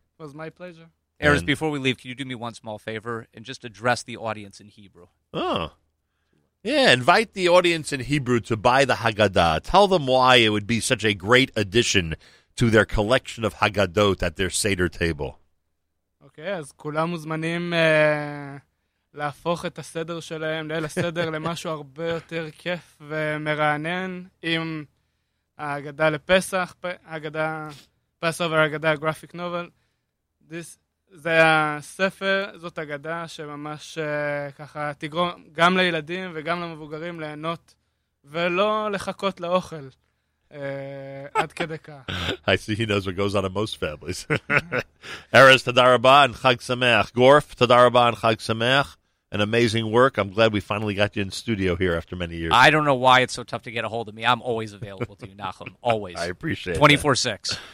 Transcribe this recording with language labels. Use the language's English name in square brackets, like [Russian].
[English] It was my pleasure. Erez, before we leave, can you do me one small favor and just address the audience in Hebrew? Oh. Yeah, invite the audience in Hebrew to buy the Haggadah. Tell them why it would be such a great addition to their collection of Haggadot at their Seder table. [Hebrew] Okay, as kulam uzmanim להפוך את הסדר שלהם, ליל הסדר, למשהו הרבה יותר כיף ומרענן עם ההגדה לפסח, הגדה, Passover, הגדה, graphic novel. זה הספר, זאת הגדה שממש ככה תגרום גם לילדים וגם למבוגרים ליהנות ולא לחכות לאוכל עד כדי כך. [English] I see he knows what goes on in most families. Erez, [Hebrew] תודה רבה, [English] and [Hebrew] חג שמח. גורף, תודה רבה, [English] and [Hebrew] חג שמח. [English] An amazing work. I'm glad we finally got you in studio here after many years. I don't know why it's so tough to get a hold of me. I'm always available to you, Nachum. Always. I appreciate it. 24/6.